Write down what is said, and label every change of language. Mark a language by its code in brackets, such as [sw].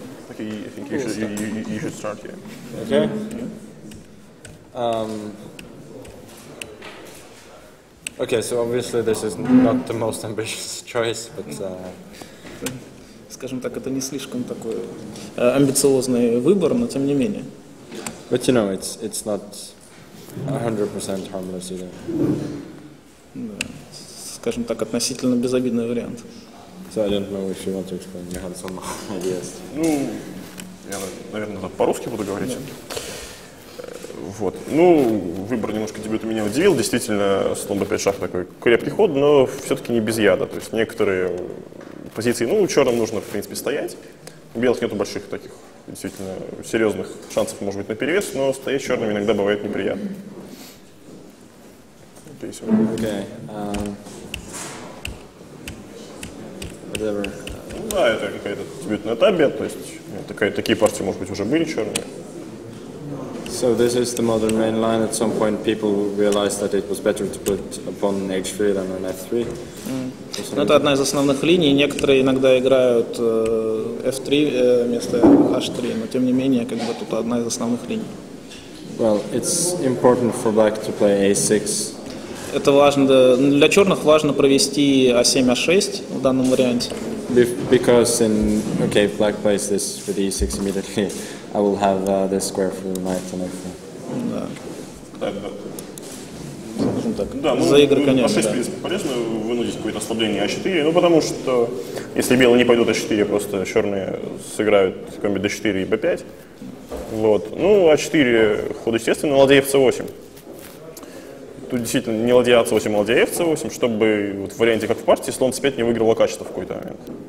[en] Okay, I think you should, you should start here. Okay. Okay, so obviously this is not the most ambitious choice, but... [ru] Скажем так, это не слишком такой амбициозный выбор, но тем не менее. [en] But you know, it's not 100% harmless either. [ru] Да, скажем так, относительно безобидный вариант. [en] So I don't know if you want to explain your hands on my ideas. [ru] Ну, я, наверное, по-русски буду говорить. Вот. Ну, выбор немножко дебюта меня удивил. Действительно, слон b5 шах такой крепкий ход, но все-таки не без яда. То есть некоторые позиции, ну, черным нужно, в принципе, стоять. У белых нету больших таких, действительно, серьезных шансов, может быть, на перевес, но стоять черным иногда бывает неприятно. [en] Okay, so. Okay. Whatever. [ru] Ну, да, это какая-то дебютная табе, то есть такая, такие партии, может быть, уже были черные. [en] So this is the modern main line. At some point people realized that it was better to put a pawn on h3 than on f3. [ru] Это одна из основных линий. Некоторые иногда играют f3 вместо h3, но тем не менее, как бы, тут одна из основных линий. [en] Well, it's important for black to play a6. [ru] Это важно для черных, важно провести a7, a6 в данном варианте. [en] Because in okay, black plays this with e6 immediately. I will have this square for the knight and everything. [ru] За игры, конечно. А6, в принципе, полезно вынудить какое-то ослабление А4, ну потому что если белые не пойдут А4, просто черные сыграют комби D4 и B5. Вот. Ну, А4 ход естественный, но ладья FC8. Тут действительно не ладья АC8, а ладья FC8, чтобы вот в варианте как в партии слон C5 не выиграло качество в какой-то момент.